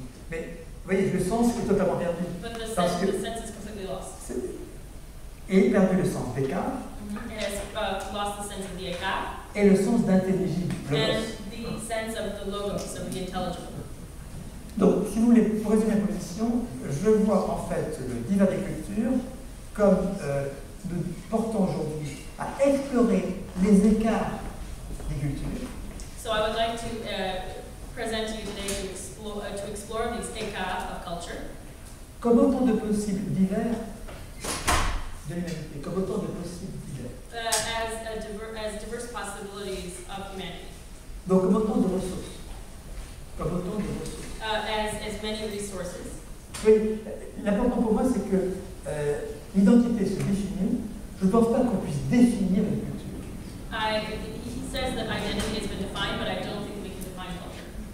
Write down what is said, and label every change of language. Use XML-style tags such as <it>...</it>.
<fr>Mais vous voyez, le sens est totalement perdu.</fr> <en>But the sense is completely lost.</en> <fr>Et il a perdu le sens d'écart.</fr> <en>Lost the sense of the écart.</en> <fr>Et le sens d'intelligible.</fr> <en>Sense of the logos, of the intelligible.</en> <fr>Donc, si vous voulez, pour résumer la position, je vois en fait le divers des cultures comme nous portons aujourd'hui à explorer les écarts des cultures.</fr> <en>So I would like to present to you today to explore these écarts of culture.</en> <fr>Comme autant de possibles divers de l'humanité, comme autant de possibles divers.</fr> <en>As diverse possibilities of humanity.</en> <fr>Donc, comme autant de ressources. Comme autant de ressources.</fr> <en>As many resources.</en> <fr>Oui, l'important pour moi c'est que l'identité se définit. Je ne pense pas qu'on puisse définir une culture.</fr> <en>He says that identity has been defined, but I don't think we can define culture.</en>